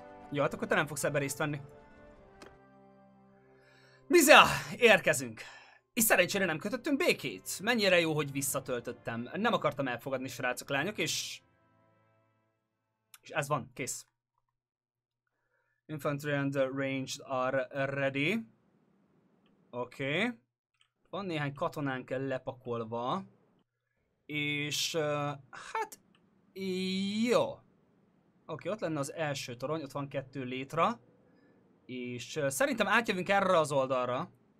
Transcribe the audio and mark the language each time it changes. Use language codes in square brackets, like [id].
[hu] Jó, hát akkor te nem fogsz ebben részt venni. Mizea, érkezünk! És szerencsére nem kötöttünk békét. Mennyire jó, hogy visszatöltöttem. Nem akartam elfogadni, srácok, lányok, és... És ez van, kész. [en] Infantry and ranged are ready. Oké. Okay. [hu] Van néhány katonánk lepakolva. És... hát... Jó. Oké, okay, ott lenne az első torony, ott van 2 létra. És szerintem átjövünk erre az oldalra.